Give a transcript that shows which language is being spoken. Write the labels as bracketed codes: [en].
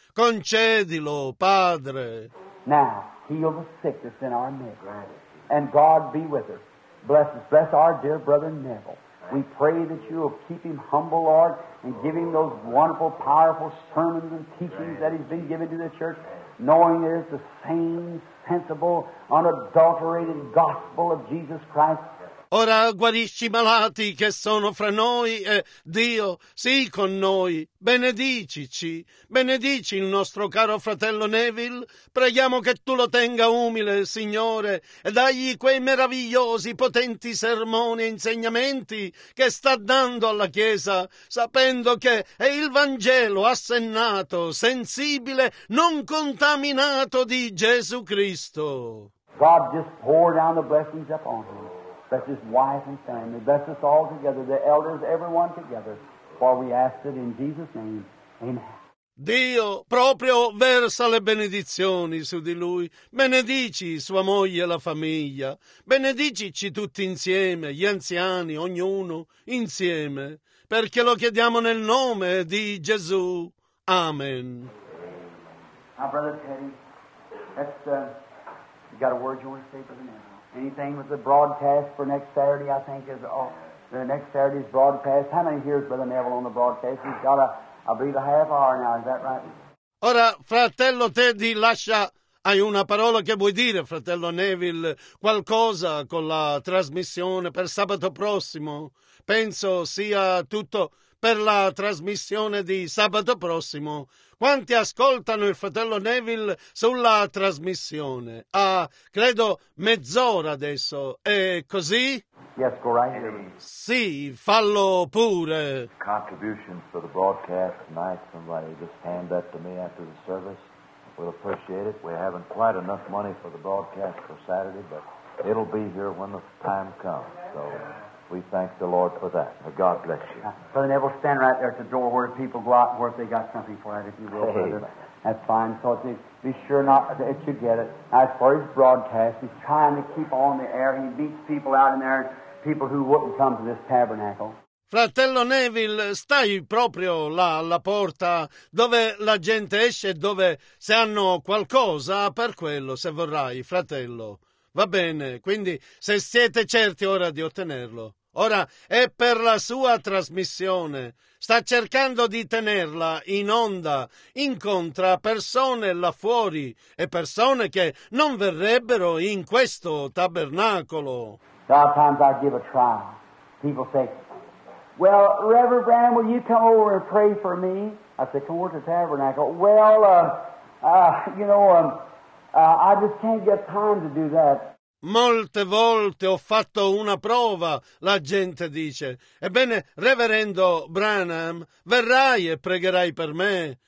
[it] Concedilo, Padre. [en] Now, heal the sick that's in our midst, and God be with us. Bless our dear brother Neville. We pray that you will keep him humble, Lord, and give him those wonderful, powerful sermons and teachings that he's been given to the church, knowing it is the same sensible, unadulterated gospel of Jesus Christ. [it] ora guarisci i malati che sono fra noi e Dio, sii con noi, benedicici, benedici il nostro caro fratello Neville, preghiamo che tu lo tenga umile, Signore, e dagli quei meravigliosi, potenti sermoni e insegnamenti che sta dando alla Chiesa, sapendo che è il Vangelo assennato, sensibile, non contaminato di Gesù Cristo. [en] God just pour down the blessings upon him. Bless his wife and family. Bless us all together, the elders, everyone together. For we ask it in Jesus' name. Amen. [it] Dio proprio versa le benedizioni su di lui. Benedici sua moglie e la famiglia. Benedicici tutti insieme, gli anziani, ognuno insieme. Perché lo chiediamo nel nome di Gesù. Amen. [en] Now, Brother Teddy, you got a word you want to say for the now? Anything with the broadcast for next Saturday, I think, is all. The next Saturday's broadcast. How many hears Brother Neville on the broadcast? He's got a, I believe, a half hour now. Is that right? [it] Ora, fratello Teddy, lascia. Hai una parola che vuoi dire, fratello Neville? Qualcosa con la trasmissione per sabato prossimo? Penso sia tutto per la trasmissione di sabato prossimo. Quanti ascoltano il fratello Neville sulla trasmissione? Ah, credo mezz'ora adesso. È così? [en] Yes, go right here. [it] Sì, fallo pure. [en] Contributions for the broadcast tonight. Somebody just hand that to me after the service. We'll appreciate it. We haven't quite enough money for the broadcast for Saturday, but it'll be here when the time comes. So we thank the Lord for that. Now God bless you. Brother Neville, stand right there at the door where people go out and where they got something for it, if you will, brother. That's fine. So be sure not that you get it. As for his broadcast, he's trying to keep on the air. He beats people out in there, people who wouldn't come to this tabernacle. [it] Fratello Neville, stai proprio là alla porta dove la gente esce e dove se hanno qualcosa per quello, se vorrai, fratello. Va bene, quindi se siete certi ora di ottenerlo. Ora è per la sua trasmissione. Sta cercando di tenerla in onda. Incontra persone là fuori e persone che non verrebbero in questo tabernacolo. [en] Sometimes I give a try. People say, well, Reverend Branham, will you come over and pray for me? I said, come over to the tabernacle. Well, you know, I just can't get time to do that. [it] Molte volte ho fatto una prova, la gente dice. Ebbene, Reverendo Branham, verrai e pregherai per me.